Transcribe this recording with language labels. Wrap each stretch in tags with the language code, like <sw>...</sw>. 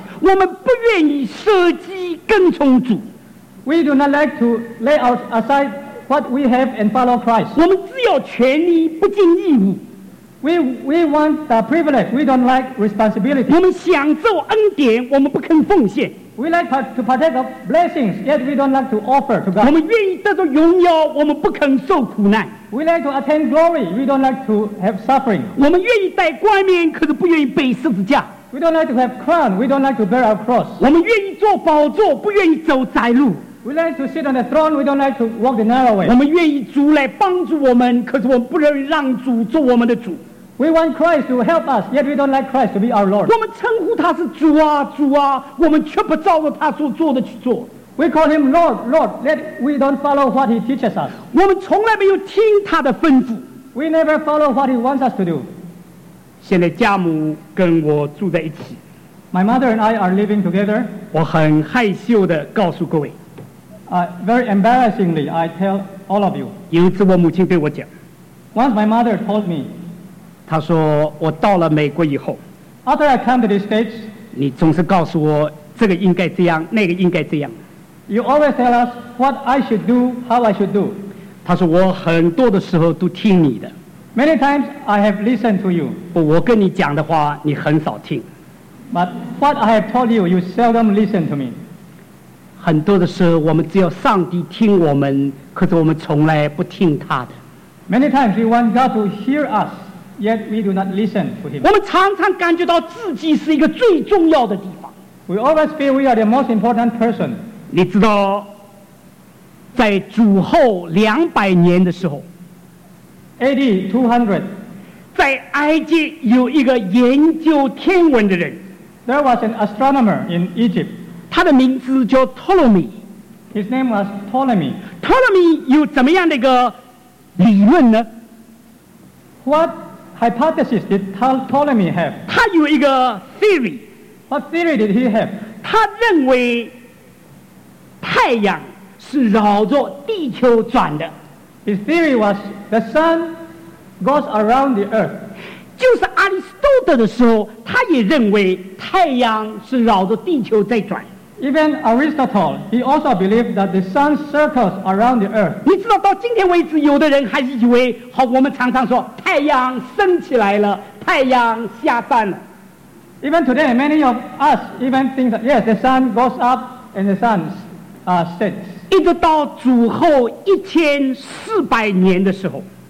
<zh>我们不愿意舍己跟从主。</zh> <en>We do not like to lay out aside what we have and follow Christ.</en> <zh>我们只要权利不尽义务。</zh> <en>We want the privilege. We don't like responsibility.</en> <zh>我们享受恩典，我们不肯奉献。</zh> <en>We like to partake of blessings, yet we don't like to offer to God.</en> <zh>我们愿意得到荣耀，我们不肯受苦难。</zh> <en>We like to attain glory, we don't like to have suffering.</en> <zh>我们愿意戴冠冕，可是不愿意背十字架。</zh> <en>We don't like to have crown, we don't like to bear our cross.</en> <zh>我们愿意坐宝座，不愿意走窄路。</zh> <en>We like to sit on the throne, we don't like to walk the narrow way.</en> <zh>我们愿意主来帮助我们，可是我们不愿意让主做我们的主。</zh> <en>We want Christ to help us, yet we don't like Christ to be our Lord.</en> <zh>我们称呼他是主啊，主啊，我们却不照着他所做的去做。</zh> <en>We call him Lord, Lord, yet we don't follow what he teaches us.</en> <zh>我们从来没有听他的吩咐。</zh> <en>We never follow what he wants us to do.</en> <zh>现在家母跟我住在一起。</zh> <en>My mother and I are living together.</en> <zh>我很害羞地告诉各位。</zh> <en>Very embarrassingly, I tell all of you.</en> <zh>有一次我母亲对我讲。</zh> <en>Once my mother told me.</en> <zh>他说我到了美国以后</zh> <en>After I come to the States</en> <zh>你总是告诉我这个应该这样那个应该这样</zh> <en>You always tell us what I should do how I should do</en> <zh>他说我很多的时候都听你的</zh> <en>Many times I have listened to you</en> <zh>不我跟你讲的话你很少听</zh> <en>But what I have told you you seldom listen to me</en> <zh>很多的时候我们只要上帝听我们可是我们从来不听他的</zh> <en>Many times we want God to hear us Yet we do not listen to him.</en> <zh>我们常常感觉到自己是一个最重要的地方。</zh> <en>We always feel we are the most important person.</en> <zh>你知道，在主后两百年的时候</zh> <en>，AD 200，</en> <zh>在埃及有一个研究天文的人。</zh> <en>There was an astronomer in Egypt.</en> <zh>他的名字叫 Ptolemy.</zh> <en>His name was Ptolemy.</en> <zh>Ptolemy 有怎么样的一个理论呢</zh> <en>？What Hypothesis did Ptolemy have?</en> <zh>他有一个 theory.</zh> <en>What theory did he have?</en> <zh>他认为太阳是绕着地球转的。</zh> <en>His theory was the sun goes around the earth.</en> <zh>就是阿里斯多德的时候，他也认为太阳是绕着地球在转。</zh> <en>Even Aristotle, he also believed that the sun circles around the earth.</en> <zh>你知道到今天为止，有的人还是以为，好，我们常常说太阳升起来了，太阳下山了。</zh> <en>Even today, many of us even think that yes, the sun goes up and the sun sets.</en> <zh>一直到主后一千四百年的时候</zh>